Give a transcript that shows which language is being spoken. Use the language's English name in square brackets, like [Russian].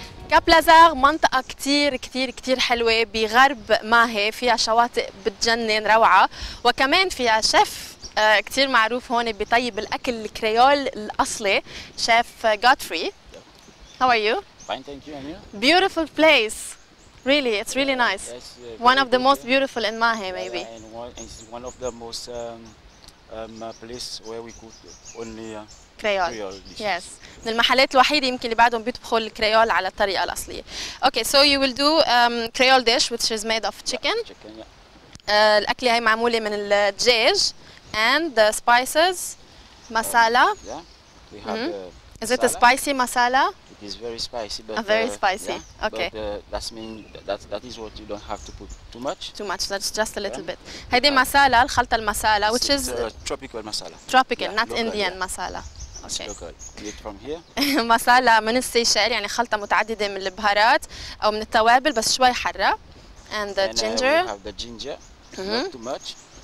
[Arabic] كاب لازار منطقة كتير كتير كتير حلوة بغرب ماهي فيها شواطئ بتجنن روعة وكمان فيها شيف كتير معروف هون بطيب الأكل الكريول الأصلي شيف غوتفري. [English] How are you? Fine, thank you. And you? Beautiful place. Really, it's really nice. Yes, one of the most beautiful in Mahé, maybe. And it's one of the most place where we cook only creole. Yes. Okay, so you will do creole dish, which is made of chicken. Chicken, yeah. The food is made from the dajj and the spices, masala. We have is it a spicy masala? It's very spicy, but very spicy. Yeah, okay. But that's mean that is what you don't have to put too much. Too much. That's just a little bit. [Arabic] هذه مسالة الخلطة المسالة, [English] which is tropical masala. Tropical, yeah, not local, Indian yeah. masala. Okay. Get from here. [Arabic] مسالة من السيشيل يعني خلطة متعددة من البهارات أو من التوابل بس شوي حارة. [English] And the ginger. We have the ginger. Not too much.